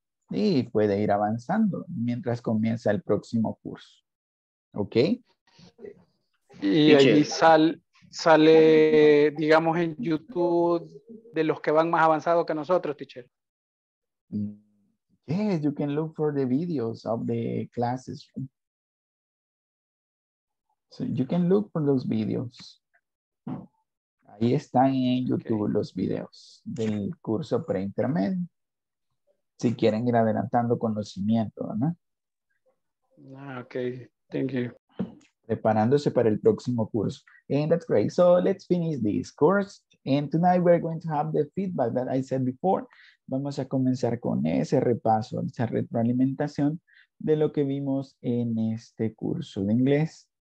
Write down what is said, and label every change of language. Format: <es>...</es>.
<es>Y puede ir avanzando mientras comienza el próximo curso. ¿Ok? Y ahí sale, digamos, en YouTube de los que van más avanzados que nosotros, teacher.</es> <en>Yes, you can look for the videos of the classes. So you can look for those videos.</en> <es>Ahí están en YouTube los videos del curso preintermedio. Si quieren ir adelantando conocimiento, ¿no?</es> <en>Okay, thank you.</en> <es>Preparándose para el próximo curso.</es> <en>And that's great. So let's finish this course. And tonight we're going to have the feedback that I said before.</en> <es>Vamos a comenzar con ese repaso, esa retroalimentación de lo que vimos en este curso de inglés.</es>